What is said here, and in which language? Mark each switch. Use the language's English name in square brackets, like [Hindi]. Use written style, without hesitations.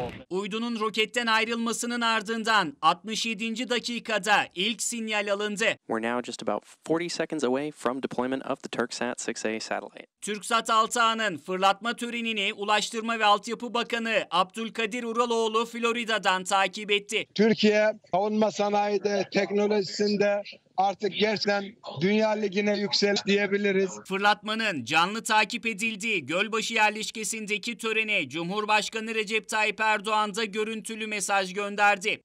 [Turkish] Uydunun roketten ayrılmasının ardından 67. dakikada ilk sinyal alındı. [English] We're now just about 40 seconds away from deployment of the TürkSat 6A satellite. [Turkish] TürkSat 6A'nın fırlatma törenini Ulaştırma ve Altyapı Bakanı Abdülkadir Uraloğlu Florida'dan takip etti. Türkiye savunma sanayide, teknolojisinde artık gerçekten dünya ligine yükseldi diyebiliriz. Fırlatmanın canlı takip edildiği Gölbaşı yerleşkesindeki törene Cumhurbaşkanı Recep Tayyip Erdoğan da görüntülü mesaj gönderdi.